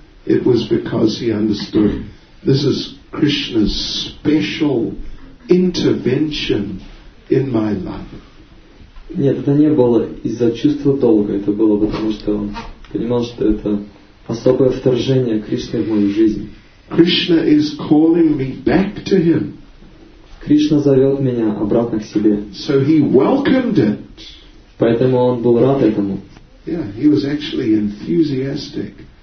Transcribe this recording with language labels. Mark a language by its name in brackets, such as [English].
[English] It was because he understood this is Krishna's special intervention in my life. [Russian] Нет, это не было из-за чувства долга. Это было потому, что он понимал, что это особое вторжение Кришны в мою жизнь. [English] Krishna is calling me back to him. [Russian] Кришна зовет меня обратно к себе. [English] So he welcomed it. [Russian] Поэтому он был рад этому. [English] Yeah, he was actually enthusiastic.